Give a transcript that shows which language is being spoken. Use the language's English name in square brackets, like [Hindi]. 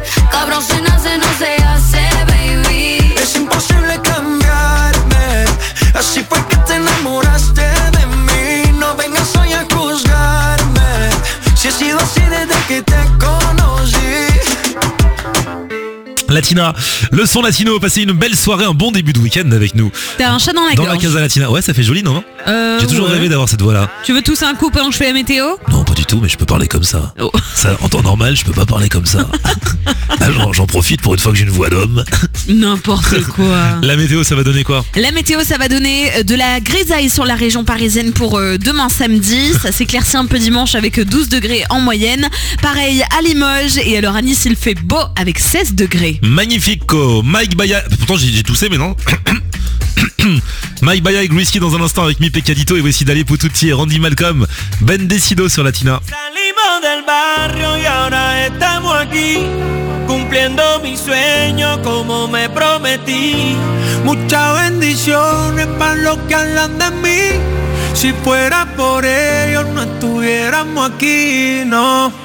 [Spanish] Cabrón, se nace, no se hace, baby. Es imposible cambiarme, así fue que te enamoraste de mí. No vengas hoy a juzgarme, si he sido así desde que te conocí. [French] Latina, le son latino, passez une belle soirée, un bon début de week-end avec nous. T'as un chat dans la gorge. Dans la casa latina, ouais, ça fait joli, non? J'ai toujours rêvé d'avoir cette voix-là. Tu veux tousser un coup pendant que je fais la météo? Non, pas du tout, mais je peux parler comme ça. Oh. Ça en temps normal, je peux pas parler comme ça. j'en profite pour une fois que j'ai une voix d'homme. N'importe quoi. La météo, ça va donner quoi? La météo, ça va donner de la grisaille sur la région parisienne pour demain samedi. Ça s'éclaircit un peu dimanche avec 12 degrés en moyenne. Pareil à Limoges, et alors à Nice, il fait beau avec 16 degrés. [Spanish] Magnifico, Mike Baya. [French] Pourtant j'ai toussé mais non. Mike Baya et Whiskey dans un instant avec Mi Pecadito et voici d'aller pour tout tier Randy Malcolm, Ben Decido sur Latina. [Spanish] Salimos del barrio y ahora estamos aquí cumpliendo mi sueño como me prometí. Muchas bendiciones para los que hablan de mí. Si fuera por por ellos no estuviéramos aquí, no.